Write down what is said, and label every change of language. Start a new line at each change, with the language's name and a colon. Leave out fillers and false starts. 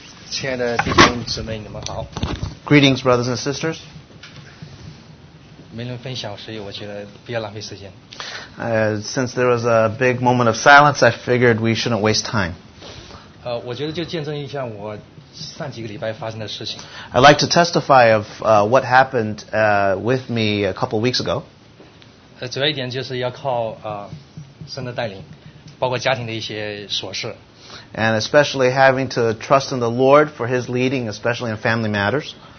Chinese: 亲爱的弟兄姊妹，你们好。
English: Greetings, brothers and sisters.
Chinese: 没人分享，所以我觉得不要浪费时间。
English: Since there was a big moment of silence, I figured we shouldn't waste time.
Chinese: 我觉得就见证一下我上几个礼拜发生的事情。I'd
English: like to testify of what happened with me a couple weeks ago.
Chinese: 主要一点就是要靠神的带领，包括家庭的一些琐事。
English: And especially having to trust in the Lord for His leading, especially in family matters.